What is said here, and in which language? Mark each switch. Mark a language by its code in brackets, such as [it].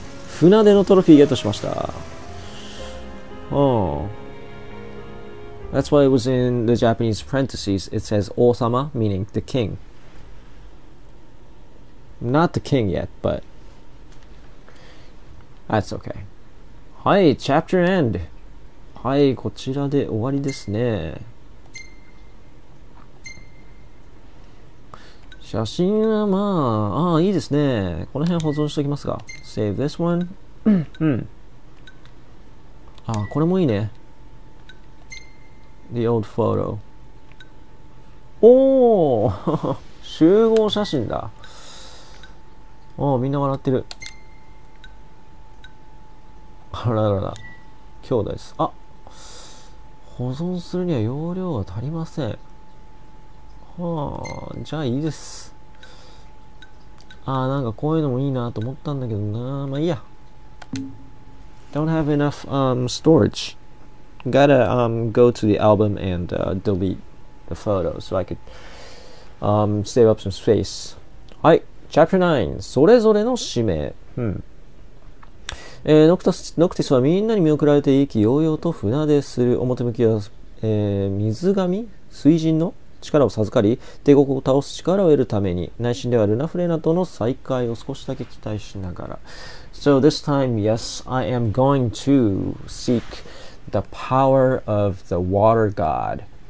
[ja] 船出のトロフィーゲットしました。 [en] That's why it was in the Japanese parentheses. It says 王様 meaning the king. Not the king yet, but that's okay. はい、chapter end. [ja] はい、こちらで終わりですね。写真はまあ、ああ、いいですね。この辺保存しておきますか。 [en] Save this one. [ja] ああ、これもいいね。 [en] The old photo. [ja] おお集合写真だ。おお、みんな笑ってる。あららら。兄弟です。あ、保存するには容量が足りません。はあ、じゃあいいです。ああ、なんかこういうのもいいなと思ったんだけどな。まあいいや。 [en] Don't have enough, storage. Gotta, go to the album and, delete the photo so I could, save up some space. [ja] はい。Chapter 9. それぞれの使命。ノクティスはみんなに見送られて意気揚々と船出する。表向きは、水神？水神の？力を授かり帝国を倒す力を得るために内心ではルナフレナとの再会を少しだけ期待しながら [en] So this time, yes, I am going to seek the power of the water god